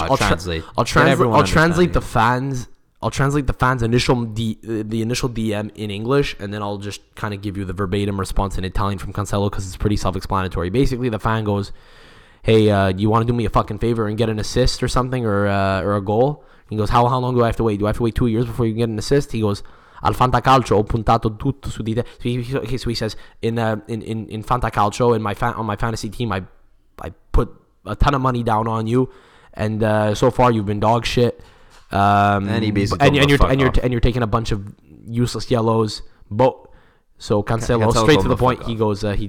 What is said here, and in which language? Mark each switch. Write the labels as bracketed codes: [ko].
[en] I'll translate the fans' initial DM in English, and then I'll just kind of give you the verbatim response in Italian from Cancelo because it's pretty self-explanatory. Basically, the fan goes, "Hey, you want to do me a fucking favor and get an assist or something or a goal?" He goes, "How long do I have to wait? Do I have to wait 2 years before you can get an assist?" He goes, [it] "Al Fantacalcio ho puntato tutto su di te." [en] So he says, "In Fantacalcio, on my fantasy team, I put a ton of money down on you, and so far you've been dog shit." And you're taking a bunch of useless yellows. But so Cancelo straight to the point. He goes,